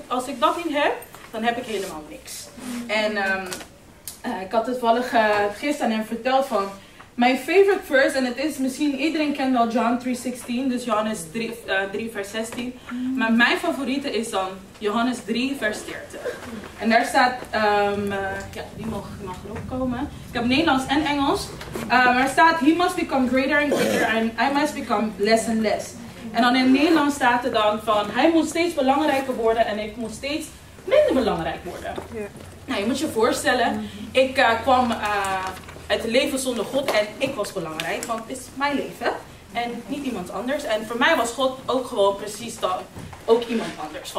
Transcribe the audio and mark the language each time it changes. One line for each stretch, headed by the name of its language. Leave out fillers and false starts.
Dutch: Als ik dat niet heb, dan heb ik helemaal niks. En ik had het toevallig gisteren aan hem verteld van mijn favorite verse. En het is misschien, iedereen kent wel John 3:16. Dus Johannes 3 vers 16. Maar mijn favoriete is dan Johannes 3 vers 30. En daar staat, die mag erop komen. Ik heb Nederlands en Engels. Er staat,
English: he must become greater and greater and I must become less and less.
Dutch: En dan in Nederlands staat er dan van, hij moet steeds belangrijker worden en ik moet steeds minder belangrijk worden. Yeah. Nou, je moet je voorstellen, ik kwam uit het leven zonder God en ik was belangrijk, want het is mijn leven en niet iemand anders. En voor mij was God ook gewoon precies dan ook iemand anders.